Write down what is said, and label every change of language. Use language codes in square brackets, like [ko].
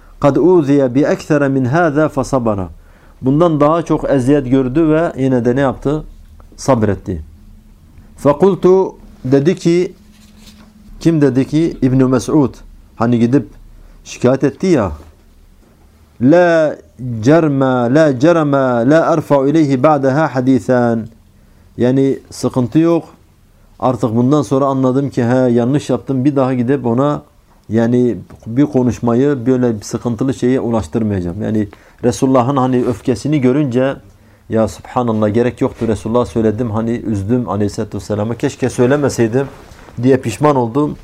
[ar] قَدْ اُوذِيَ بِأَكْثَرَ مِنْ هَذَا فَصَبَرَ [tr] Bundan daha çok eziyet gördü ve yine de ne yaptı? Sabretti. فَقُلْتُ dedi ki, kim dedi ki? İbn-i Mes'ud. Hani gidip şikayet etti ya. [ar] لَا جَرْمَا لَا جَرَمَا لَا اَرْفَعُ اِلَيْهِ بَعْدَهَا حَد۪يثًا [tr] Yani sıkıntı yok. Artık bundan sonra anladım ki yanlış yaptım. Bir daha gidip ona yani bir konuşmayı böyle bir sıkıntılı şeye ulaştırmayacağım. Yani Resulullah'ın hani öfkesini görünce ya subhanallah gerek yoktu Resulullah söyledim hani üzdüm aleyhissalatü vesselam'ı keşke söylemeseydim diye pişman oldum.